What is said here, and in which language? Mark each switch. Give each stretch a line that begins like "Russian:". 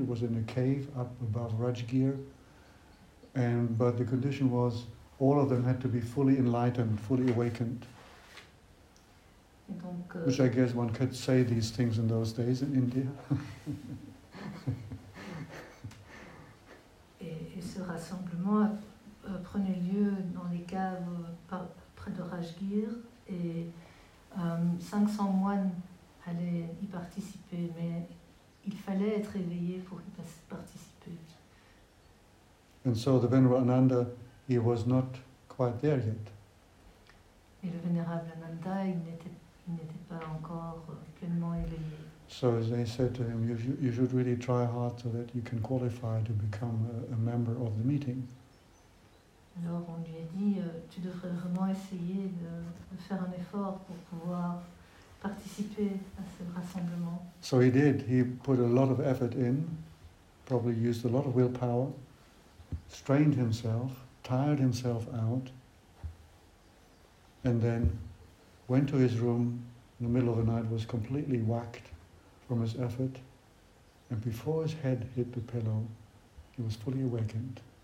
English: It was in a cave up above Rajgir. But the condition was all of them had to be fully enlightened, fully awakened.
French: Donc,
English: which I guess one could say these things in those days in India.
French: et ce rassemblement prenait lieu dans les caves près de Rajgir, et 500 moines allaient y participer, mais il fallait être éveillé pour y participer.
English: And so the Venerable Ananda he was not quite there yet.
French: Et le vénérable Ananda, il n'était pas encore pleinement éveillé.
English: So they said to him, you should really try hard so that you can qualify to become a member of the meeting.
French: Alors on lui a dit, tu devrais vraiment essayer de faire un effort pour pouvoir participer à ce rassemblement.
English: So he did. He put a lot of effort in, probably used a lot of willpower, strained himself, tired himself out, and then went to his room in the middle of the night, was completely whacked from his effort, and before his head hit the pillow, he was fully awakened.